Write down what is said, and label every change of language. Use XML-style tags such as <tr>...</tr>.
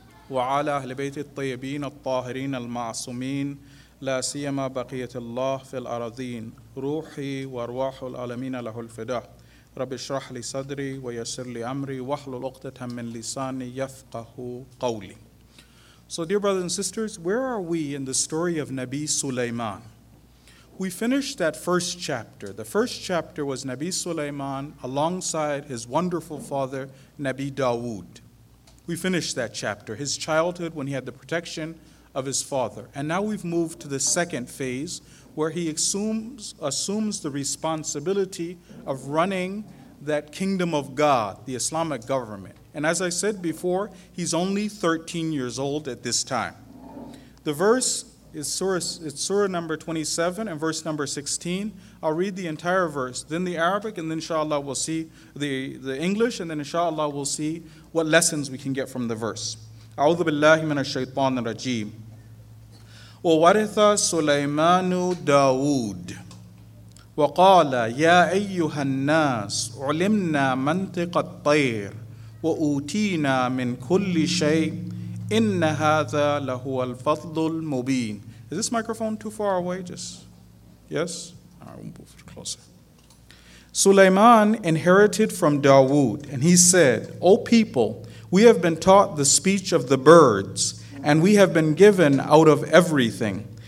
<ar>وعلى أهل بيت الطيبين الطاهرين المعصومين لا سيما بقية الله في الأرضين روحي وأرواح العالمين له الفداء رب اشرح لي صدري ويسر لي أمري واحلل عقدة من لساني يفقه قولي.</ar> <en>So dear brothers and sisters, where are we in the story of Nabi Sulaiman? We finished that first chapter. The first chapter was Nabi Sulaiman alongside his wonderful father, Nabi Dawood. We finished that chapter, his childhood when he had the protection of his father. And now we've moved to the second phase, where he assumes the responsibility of running that kingdom of God, the Islamic government. And as I said before, he's only 13 years old at this time. The verse is surah number 27 and verse number 16. I'll read the entire verse, then the Arabic, and then inshallah we'll see the English, and then inshallah we'll see what lessons we can get from the verse.</en> <ar>A'udhu billahi minash shaitan rajim. ووارث سليمان داود وقال يا أيها الناس علمنا منطق الطير وأوتينا من كل شيء إن هذا لهو الفضل المبين.</ar> <en>Is this microphone too far away? Yes? All right, we'll move it closer. Sulaiman inherited from Dawood, and he said, O people, we have been taught the speech of the birds, and we have been given out of everything.</en>